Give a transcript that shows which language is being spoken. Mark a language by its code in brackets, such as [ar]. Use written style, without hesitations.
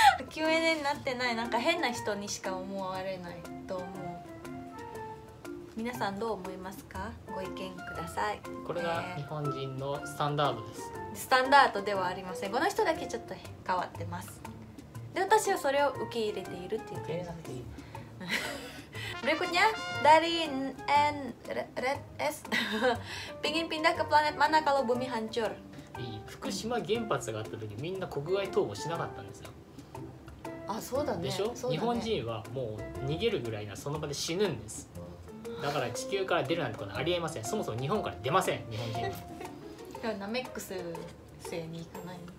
[ja] Q&A になってない、なんか変な人にしか思われないと思う。皆さんどう思いますか？ご意見ください。これが日本人のスタンダードです。スタンダードではありません。この人だけちょっと変わってます。で、私はそれを受け入れているっていう。受け入れなくていい。 [id] Berikutnya dari N Red S, pingin pindah ke planet mana kalau bumi hancur? [ja] 福島原発があった時、みんな国外逃亡しなかったんですよ。あ、そうだね。でしょ？そうだね。日本人はもう逃げるぐらいな、その場で死ぬんです。だから地球から出るなんてことはありえません。そもそも日本から出ません。日本人は。ナメックス星に行かない。